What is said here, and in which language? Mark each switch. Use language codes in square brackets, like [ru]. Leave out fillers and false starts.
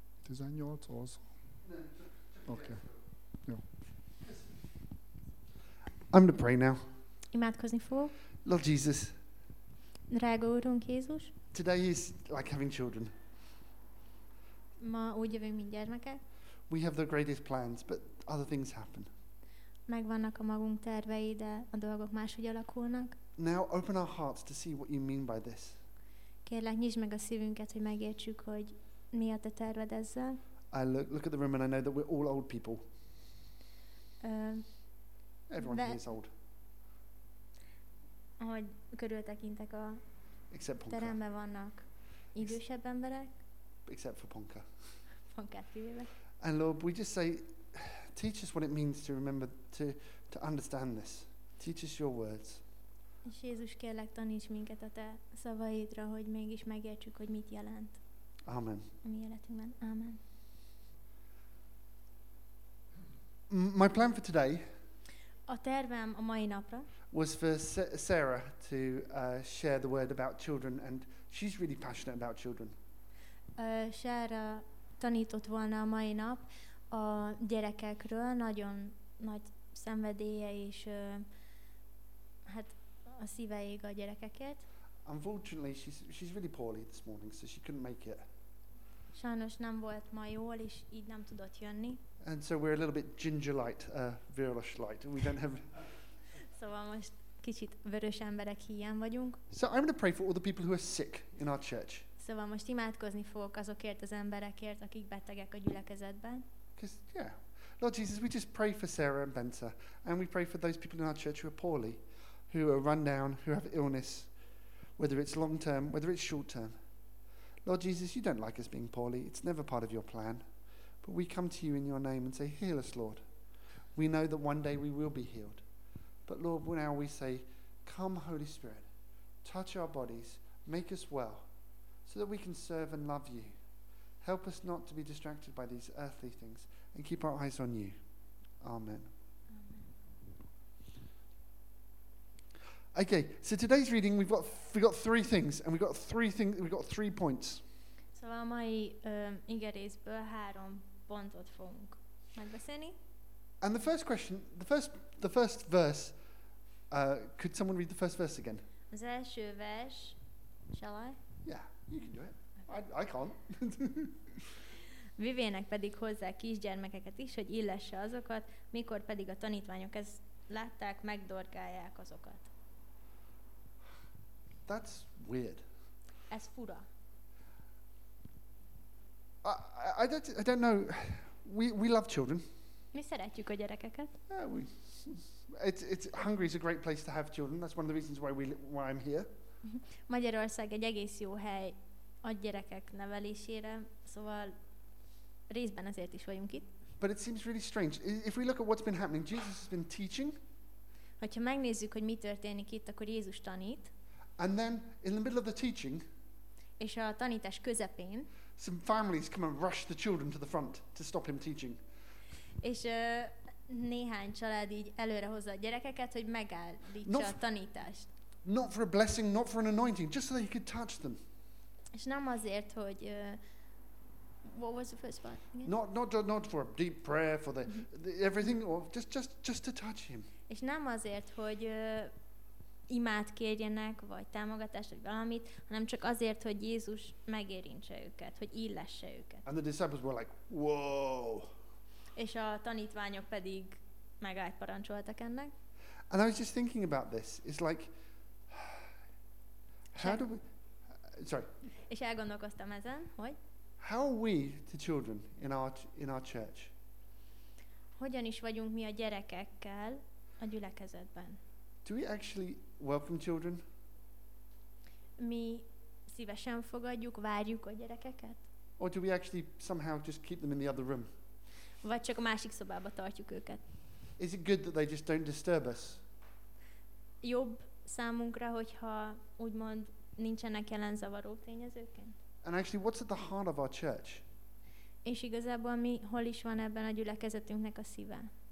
[hu] 18 hoz? Okay. Jó. [en] I'm going to pray now. [hu] Imádkozni fog. [en] Lord Jesus. [hu] Drága Úrunk Jézus. [en] Today is like having children. [hu] Ma úgy jövünk, mint gyermekek. [en] We have the greatest plans, but other things happen. [hu] Megvannak a magunk tervei, de a dolgok máshogy alakulnak. [en] Now open our hearts to see what you mean by this. [hu] Kérlek, nyisd meg a szívünket, hogy megértsük, hogy mi a te terved ezzel. [en] I look at the room and I know that we're all old people. Everyone here is old. [hu] Ahogy körültekintek a teremben vannak idősebb emberek. [en] Except for Ponka. [hu] Ponka kivéve. [en] And Lord, we just say, teach us what it means to remember, to understand this. Teach us your words. [hu] És Jézus, kérlek, taníts minket a te szavaidra, hogy mégis megértsük, hogy mit jelent. [en] Amen. [hu] A mi életünkben. Amen. [en] My plan for today, [hu] a tervem a mai napra, [en] was for Sarah to share the word about children, and she's really passionate about children. [hu] Sarah tanított volna a mai nap a gyerekekről, nagyon nagy szenvedélye és hát a szíve ég a gyerekekért. [en] Unfortunately, she's really poorly this morning, so she couldn't make it. [hu] Sajnos nem volt ma jól, és így nem tudott jönni. [en] And so we're a little bit ginger light, virulish light. We don't have. [hu] Szóval most kicsit vörös emberek híján vagyunk. [en] So I'm going to pray for all the people who are sick in our church. [hu] Szóval most imádkozni fogok azokért az emberekért, akik betegek a gyülekezetben. [en] Because yeah, Lord Jesus, we just pray for Sarah and Benta, and we pray for those people in our church who are poorly, who are run down, who have illness, whether it's long term, whether it's short term. Lord Jesus, you don't like us being poorly. It's never part of your plan. But we come to you in your name and say, heal us, Lord. We know that one day we will be healed. But Lord, now we say, come, Holy Spirit, touch our bodies, make us well, so that we can serve and love you. Help us not to be distracted by these earthly things and keep our eyes on you. Amen. Okay, so today's reading, we've got three things, and we've got 3 points. [hu] So a mai igerészből három pontot fogunk megbeszélni. [en] And the first question, the first verse, could someone read the first verse again? [hu] Az első vers, [en] shall I? Yeah, you can do it. I can't. [hu] Vivének pedig hozzá kisgyermekeket is, hogy illesse azokat, mikor pedig a tanítványok ezt látták, megdorgálják azokat. [en] That's weird. [hu] Ez fura. [en] I don't know. We love children. [hu] Mi szeretjük a gyerekeket. [en] Yeah, Hungary is a great place to have children. That's one of the reasons why I'm here. [hu] Magyarország egy egész jó hely a gyerekek nevelésére, szóval részben ezért is vagyunk itt. [en] But it seems really strange. If we look at what's been happening, Jesus has been teaching. [hu] Hogyha megnézzük, hogy mi történik itt, akkor Jézus tanít. [en] And then, in the middle of the teaching, [hu] és a tanítás közepén, [en] some families come and rush the children to the front to stop him teaching. [hu] És néhány család így előre hozza a gyerekeket, hogy megállítsa a tanítást. [en] Not for a blessing, not for an anointing, just so that he could touch them. [hu] És nem azért, hogy [en] what was the first part? Not for a deep prayer for the everything, or just to touch him. [hu] És nem azért, hogy imád kérjenek, vagy támogatást, vagy valamit, hanem csak azért, hogy Jézus megérintse őket, hogy illesse őket. [en] And the disciples were like, whoa! [hu] És a tanítványok pedig megállt parancsoltak ennek. [en] And I was just thinking about this. It's like, how do we... Sorry. [hu] És elgondolkoztam ezen, hogy... [en] How are we to children in our church? [hu] Hogyan is vagyunk mi a gyerekekkel a gyülekezetben? [en] Do we actually welcome children? [hu] Mi szívesen fogadjuk, várjuk a gyerekeket? [en] Or do we actually somehow just keep them in the other room? [hu] Vagy csak a másik szobába tartjuk őket? [en] Is it good that they just don't disturb us? [hu] Jobb számunkra, hogyha úgymond nincsenek jelen zavaró tényezőként? [en] And actually, what's at the heart of our church? [hu] És igazából mi, hol is van ebben a gyülekezetünknek a szíve?